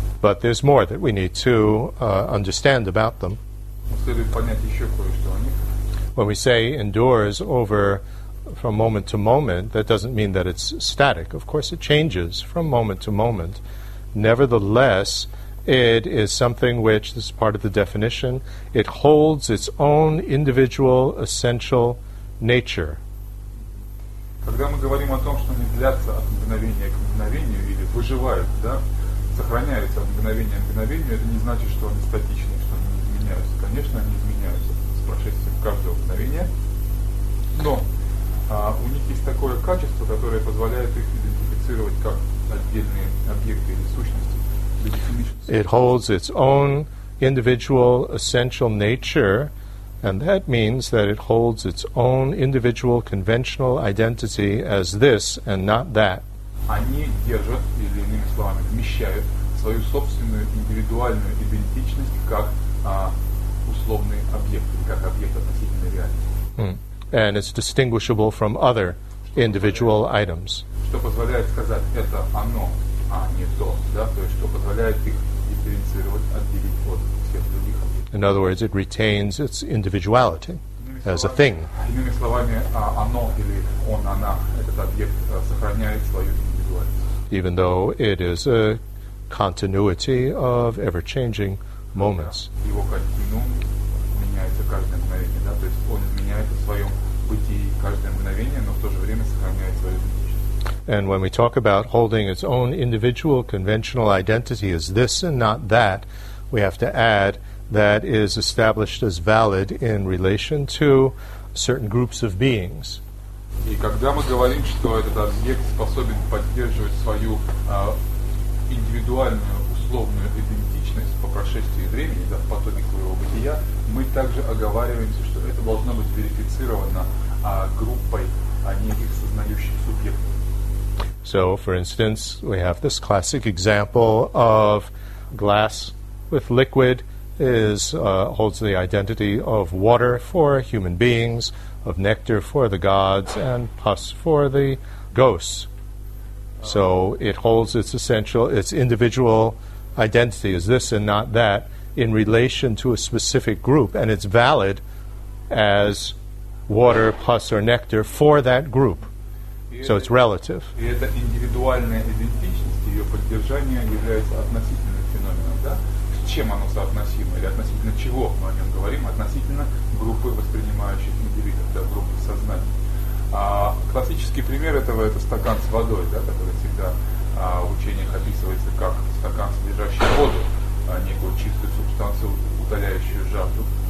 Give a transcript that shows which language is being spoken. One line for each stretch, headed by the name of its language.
English: But there's more that we need to understand about them.
Russian: Следует понять еще кое-что о них.
English: When we say endures over from moment to moment, that doesn't mean that it's static. Of course, it changes from moment to moment. Nevertheless, it is something which, this is part of the definition, it holds its own individual essential nature.
Russian: Когда мы говорим о том, что они длятся от мгновения к мгновению или выживают, да, сохраняются от мгновения к мгновению, это не значит, что они статичны, что они не изменяются. Конечно, они изменяются с прошествием каждого мгновения, но у них есть такое качество, которое позволяет их идентифицировать как отдельные объекты или сущности.
English: It holds its own individual essential nature, and that means that it holds its own individual conventional identity as this and not that.
Russian: Они держат, или иными словами, вмещают свою собственную индивидуальную идентичность как условный объект, как объект относительной реальности.
English: And it's distinguishable from other individual items.
Russian: Что позволяет сказать это оно, а не то, да? То есть, что позволяет их дифференцировать, отделить от всех других объектов.
English: In other words, it retains its individuality as a thing.
Russian: Иными словами, оно или он, она, этот объект сохраняет свою индивидуальность.
English: Even though it is a continuity of ever-changing moments.
Russian: Его континуум меняется каждое мгновение, да? То есть, он изменяется в своем пути каждое мгновение, но в то же время сохраняет свою индивидуальность.
English: And when we talk about holding its own individual conventional identity as this and not that, we have to add that is established as valid in relation to certain groups of beings.
Russian: И когда мы говорим, что этот объект способен поддерживать свою индивидуальную условную идентичность по прошествии времени, да, в потоке своего бытия, мы также оговариваемся, что это должно быть верифицировано группой, а не их сознающих субъектов.
English: So, for instance, we have this classic example of glass with liquid is holds the identity of water for human beings, of nectar for the gods, and pus for the ghosts. So it holds its essential, its individual identity as this and not that in relation to a specific group, and it's valid as water, pus, or nectar for that group. So it's relative.
Russian: И эта индивидуальная идентичность, ее поддержание является относительным феноменом, да? С чем оно соотносимо? Или относительно чего мы о нем говорим? Относительно группы воспринимающих индивидов, да, группы сознания. Классический пример этого – это стакан с водой, да, который всегда в учениях описывается как стакан, содержащий воду, некую чистую субстанцию, удаляющую жажду.